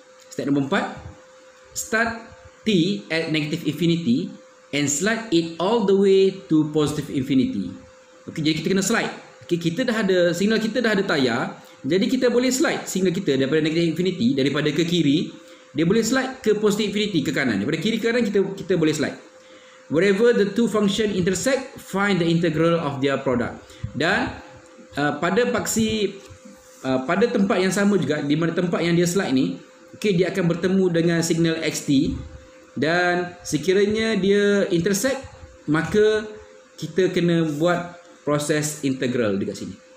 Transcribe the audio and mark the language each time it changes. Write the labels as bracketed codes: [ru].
[en] Step nombor 4, start T at negative infinity and slide it all the way to positive infinity. [ms] Okey, jadi kita kena slide. Okey, kita dah ada signal, kita dah ada tayar. Jadi kita boleh slide signal kita daripada negative infinity, daripada ke kiri, dia boleh slide ke positive infinity, ke kanan. Daripada kiri ke kanan kita boleh slide. [en] Wherever the two function intersect, find the integral of their product. [ms] Dan pada paksi pada tempat yang sama juga, di mana tempat yang dia slide ni, okay, dia akan bertemu dengan signal XT. Dan sekiranya dia intersect, maka kita kena buat proses integral dekat sini.